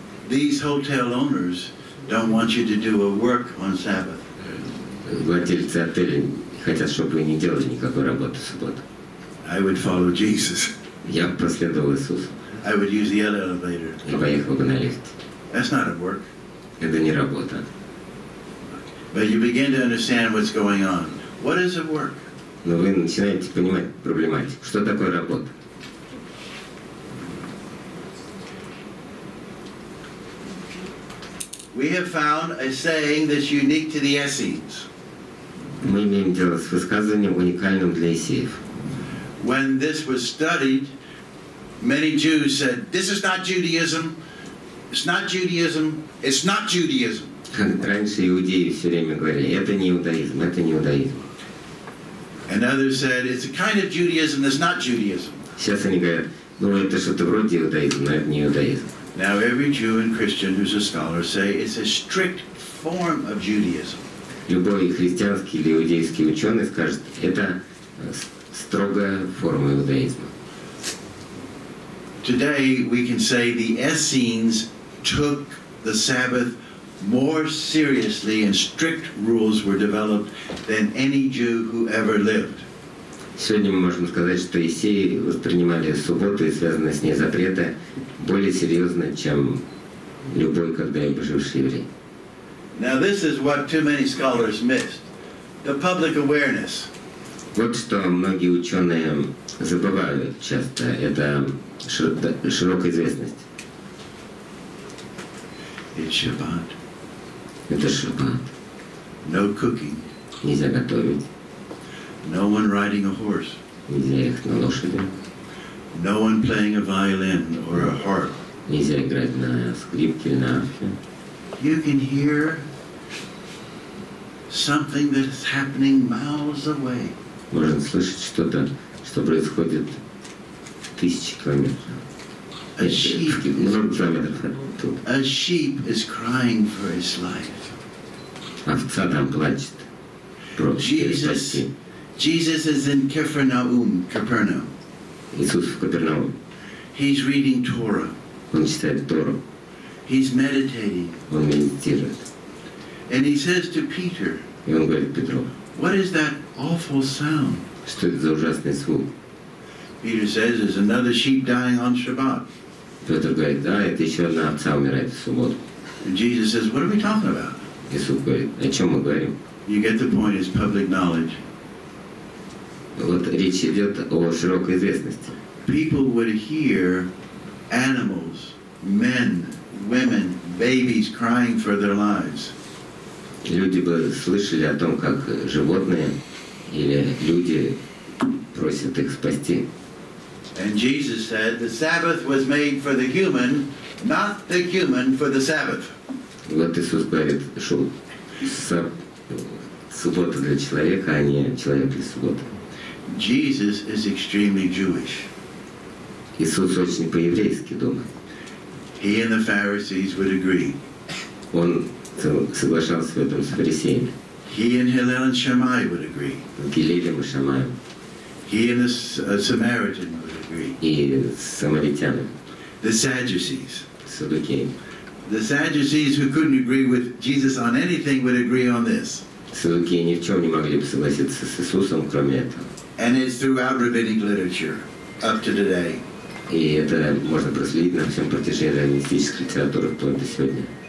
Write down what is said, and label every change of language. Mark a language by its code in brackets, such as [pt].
[en] These hotel owners don't want you to do a work on Sabbath. [ru] Владельцы отеля хотят, чтобы вы не делали никакой работы в субботу. [en] I would follow Jesus. [ru] Я бы последовал Иисусу. [en] I would use the elevator. [ru] Я поехал бы на лифте. [en] That's not a work. [ru] Это не работа. [en] But you begin to understand what's going on. What is a work? [ru] Но вы начинаете понимать проблематику. Что такое работа? [en] We have found a saying that's unique to the Essenes. [ru] Мы имеем дело с высказыванием, уникальным для эссеев. [en] When this was studied, many Jews said, "This is not Judaism. It's not Judaism. It's not Judaism." [ru] Раньше иудеи все время говорили, это не иудаизм, это не иудаизм. [en] And others said, it's a kind of Judaism that's not Judaism. [ru] Сейчас они говорят, ну это что-то вроде иудаизма, но это не иудаизм. [en] Now every Jew and Christian who's a scholar say it's a strict form of Judaism. [ru] Любой христианский или иудейский ученый скажет, это строгая форма иудаизма. [en] Today we can say the Essenes took the Sabbath more seriously and strict rules were developed than any Jew who ever lived. [ru] Сегодня мы можем сказать, что эссеи воспринимали субботу и связанные с ней запреты более серьезно, чем любой когда-либо живший еврей. [en] Now this is what too many scholars missed. The public awareness. [ru] Вот что многие ученые забывают часто, это широкая известность. [en] It's Shabbat. [ru] Это Шаббат. [en] No cooking. [ru] Нельзя готовить. [en] No one riding a horse. [ru] Нельзя ехать на лошади. [en] No one playing a violin or a harp. [ru] Нельзя играть на скрипке или на арфе. [en] You can hear something that is happening miles away. [ru] Можно слышать что-то, что происходит тысячи километров. [en] A sheep is crying for his life. [ru] Овца там плачет. [en] Jesus is in Capernaum. [ru] Иисус в Капернауме. [en] He's reading Torah. [ru] Он читает Тору. [en] He's meditating. [ru] Он медитирует. [en] And he says to Peter. [ru] И он говорит Петру. [en] What is that awful sound? [ru] Что это за ужасный звук? [en] Peter says, "There's another sheep dying on Shabbat." [ru] Петр говорит, да, это еще одна овца умирает в субботу. [en] And Jesus says, "What are we talking about?" [ru] Иисус говорит, о чем мы говорим? [en] You get the point. It's public knowledge. [ru] Вот речь идет о широкой известности. [en] People would hear animals, men, women, babies crying for their lives. [ru] Люди бы слышали о том, как животные или люди просят их спасти. [en] And Jesus said, the Sabbath was made for the human, not the human for the Sabbath. [ru] Вот Иисус говорит, что суббота для человека, а не человек для субботы. [en] Jesus is extremely Jewish. [ru] Иисус очень по-еврейски думает. [en] He and the Pharisees would agree. [ru] Он соглашался в этом с фарисеями. [en] He and Hillel and Shammai would agree. [ru] Гиллелем и Шамаем. [en] He and the Samaritan would agree. [ru] И самаритяне. [en] The Sadducees. [ru] Саддукеи. [en] The Sadducees who couldn't agree with Jesus on anything would agree on this. [ru] Саддукеи ни в чем не могли бы согласиться с Иисусом, кроме этого. [en] And it's throughout rabbinic literature up to today. [ru] И это можно проследить на всем протяжении раввинистической литературы вплоть до сегодня.